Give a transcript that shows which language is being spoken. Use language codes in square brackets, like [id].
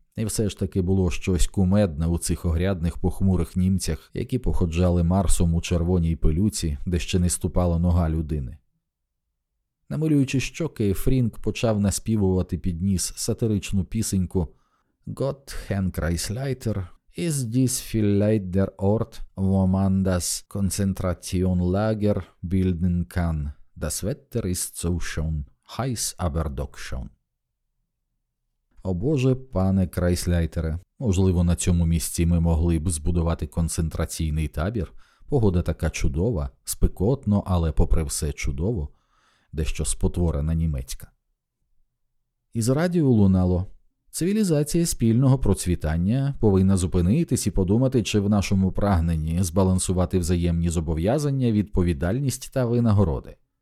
[uk] І все ж таки було щось кумедне у цих огрядних похмурих німцях, які походжали Марсом у червоній пилюці, де ще не ступала нога людини. Намилюючи щоки, Фрінк почав наспівувати під ніс сатиричну пісеньку [de] «Gott Henkreisleiter». [en] «Is this [de] vielleicht der Ort, wo man das Konzentrationlager bilden kann? Das Wetter ist so schön, heiß aber doch schön». [uk] «О Боже, пане Крайсляйтере, можливо, на цьому місці ми могли б збудувати концентраційний табір? Погода така чудова, спекотно, але попри все чудово. Дещо спотворена німецька». Із радіо лунало: «Цивілізація спільного процвітання повинна зупинитись і подумати, чи в нашому прагненні збалансувати взаємні зобов'язання, відповідальність та винагороди».